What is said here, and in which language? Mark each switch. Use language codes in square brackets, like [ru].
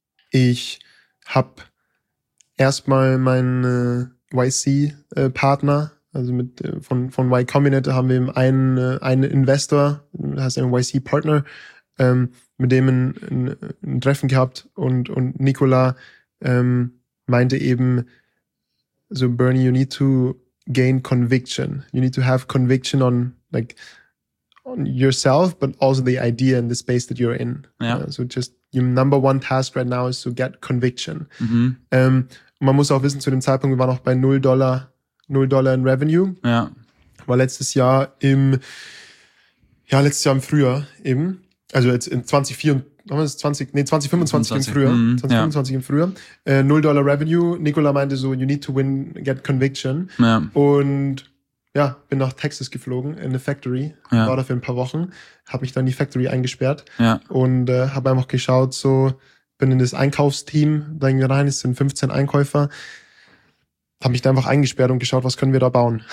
[de] Ich habe erstmal meinen YC-Partner, also von Y Combinator haben wir eben einen Investor, heißt ein YC-Partner, mit dem ein Treffen gehabt und Nicola meinte eben so, Bernie, [en] you need to gain conviction. You need to have conviction on yourself, but also the idea and the space that you're in. [de] Ja. [en] So just your number one task right now is to get conviction. Mhm. [de] Man muss auch wissen, zu dem Zeitpunkt, wir waren auch bei $0 in Revenue. Ja. War letztes Jahr im Frühjahr eben. Also jetzt in 2025 im Frühjahr. Mhm. 2025 ja. Im Frühjahr. $0 Revenue. Nicola meinte so, [en] you need to win, get conviction. [de] Ja. Und ja, bin nach Texas geflogen in eine Factory, ja, war da für ein paar Wochen, habe mich dann in die Factory eingesperrt, ja, und habe einfach geschaut, so bin in das Einkaufsteam, da rein, es sind 15 Einkäufer, habe mich da einfach eingesperrt und geschaut, was können wir da bauen.